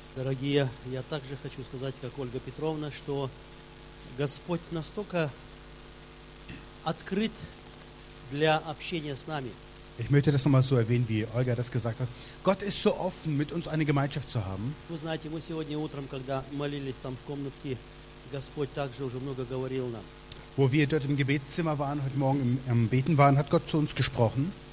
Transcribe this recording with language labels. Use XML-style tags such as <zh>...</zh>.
<ru>Дорогие, я также хочу сказать, как Ольга Петровна, что Господь настолько открыт для общения с нами.</ru> <de>Ich möchte das nochmal so erwähnen, wie Olga das gesagt hat. Gott ist so offen, mit uns eine Gemeinschaft zu haben.</de> <ru>Вы знаете, мы сегодня утром, когда молились там в комнатке, Господь также уже много говорил нам.</ru> <de>Wo wir dort im Gebetszimmer waren, heute Morgen im Beten waren, hat Gott zu uns gesprochen.</de>